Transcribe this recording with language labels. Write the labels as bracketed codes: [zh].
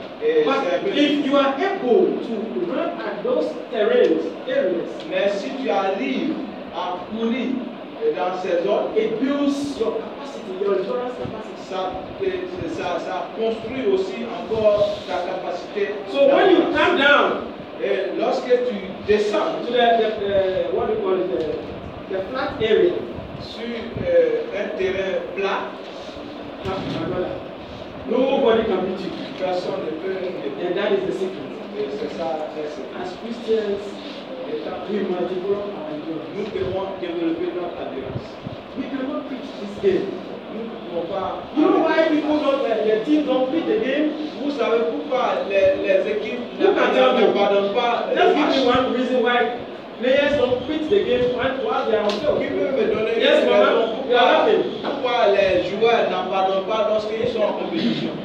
[en] But if you are able to run at those terrains, areas, [fr] mais si tu arrives à courir dans ces zones, [en] it builds your capacity, your endurance capacity. [fr] Ça construit aussi encore ta capacité. [en] So when you come down. [fr] Et lorsque tu descends [en] to the flat area [fr] sur un terrain plat, [en] nobody can beat you. [fr] Personne ne peut. [en] And that is the secret. [fr] Et c'est ça. [en] As Christians, [fr] nous devons développer notre endurance. [en] We cannot preach this game. [fr] Nous ne pouvons pas. [en] You know why people don't the team don't play the game? [fr] Vous savez pourquoi les équipes ne pardonnent pas. [en] Just give me one reason why players don't quit the game while they are on the field. Give me another reason. Yes, [fr] pourquoi, pourquoi les joueurs ne pardonnent pas lorsqu'ils sont en compétition?